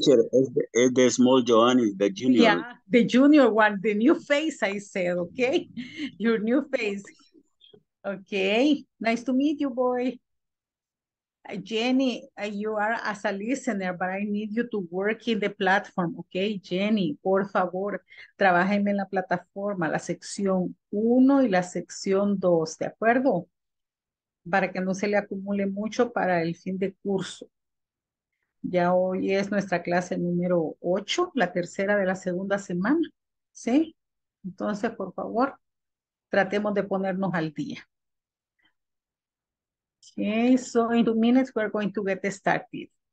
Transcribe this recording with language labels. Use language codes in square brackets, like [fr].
[en] Teacher, es the small Giovanni, the junior. Yeah, the junior one, the new face, I said, okay? Your new face. Okay, nice to meet you, boy. Jenny, you are as a listener, but I need you to work in the platform, okay? [es] Jenny, por favor, trabájeme en la plataforma, la sección 1 y la sección 2, ¿de acuerdo? Para que no se le acumule mucho para el fin de curso. Ya hoy es nuestra clase número 8, la tercera de la segunda semana, ¿sí? Entonces, por favor, tratemos de ponernos al día. [en] Okay, so in 2 minutes we're going to get started.